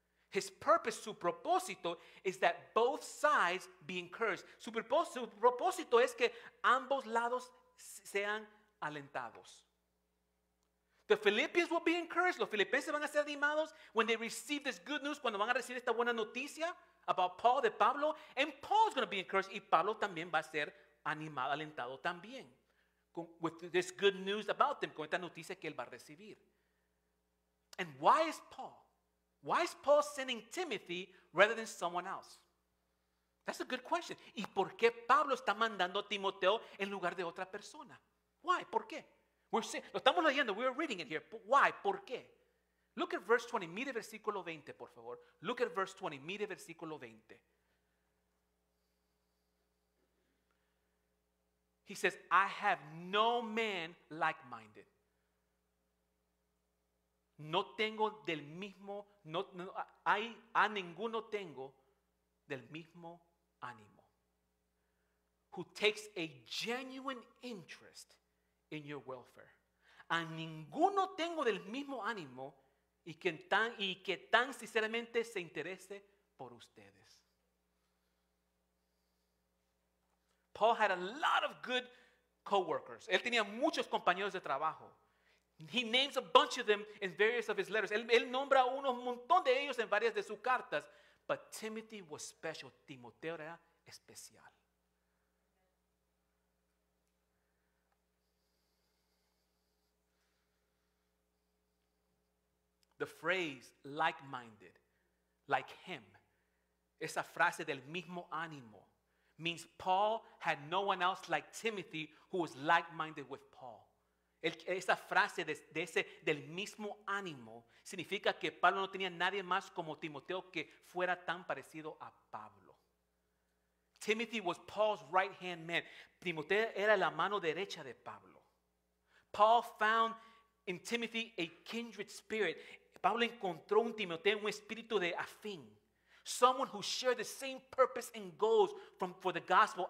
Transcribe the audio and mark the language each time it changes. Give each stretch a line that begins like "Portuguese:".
English: His purpose,
Spanish: su propósito,
English: is that both sides be encouraged.
Spanish: Su propósito es que ambos lados sean alentados.
English: The Philippians will be encouraged.
Spanish: Los filipenses van a ser animados
English: when they receive this good news,
Spanish: cuando van a recibir esta buena noticia
English: about Paul,
Spanish: de Pablo.
English: And Paul's going to be encouraged.
Spanish: Y Pablo también va a ser animado, alentado también.
English: With this good news about them,
Spanish: con esta noticia que él va a recibir.
English: And why is Paul? Why is Paul sending Timothy rather than someone else? That's a good question.
Spanish: ¿Y por qué Pablo está mandando a Timoteo en lugar de otra persona?
English: Why?
Spanish: ¿Por qué? Lo estamos leyendo.
English: We're reading it here. Why? ¿Por qué? Look at verse 20.
Spanish: Mire versículo 20, por favor.
English: Look at verse 20.
Spanish: Mire versículo 20.
English: He says, I have no man like-minded.
Spanish: No tengo del mismo, ninguno tengo del mismo ánimo.
English: Who takes a genuine interest in your welfare.
Spanish: A ninguno tengo del mismo ánimo y que tan sinceramente se interese por ustedes.
English: Paul had a lot of good co-workers.
Spanish: Él tenía muchos compañeros de trabajo.
English: He names a bunch of them in various of his letters.
Spanish: Él nombra un montón de ellos en varias de sus cartas.
English: But Timothy was special.
Spanish: Timoteo era especial.
English: The phrase like-minded, like him,
Spanish: esa frase del mismo ánimo,
English: means Paul had no one else like Timothy who was like-minded with Paul.
Spanish: Esa frase del mismo ánimo significa que Pablo no tenía nadie más como Timoteo que fuera tan parecido a Pablo.
English: Timothy was Paul's right-hand man.
Spanish: Timoteo era la mano derecha de Pablo.
English: Paul found in Timothy a kindred spirit.
Spanish: Pablo encontró un Timoteo, un espíritu de afín.
English: Someone who shared the same purpose and goals for the gospel.